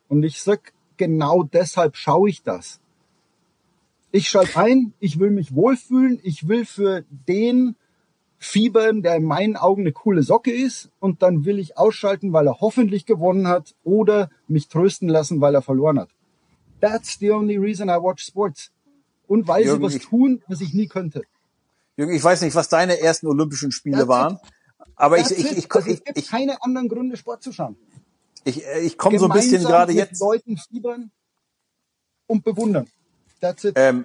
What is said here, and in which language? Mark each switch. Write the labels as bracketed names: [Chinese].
[German] Und ich sag, genau deshalb schaue ich das. Ich schalte ein, ich will mich wohlfühlen, ich will für den fiebern, der in meinen Augen eine coole Socke ist, und dann will ich ausschalten, weil er hoffentlich gewonnen hat, oder mich trösten lassen, weil er verloren hat. [English] That's the only reason I watch sports. [German] Und weil sie was tun, was ich nie könnte. Jürgen, ich weiß nicht, was deine ersten Olympischen Spiele waren. Aber ich keine anderen Gründe, Sport zu schauen. Ich komme so ein bisschen gerade jetzt. Leuten fiebern und bewundern. [English] That's it.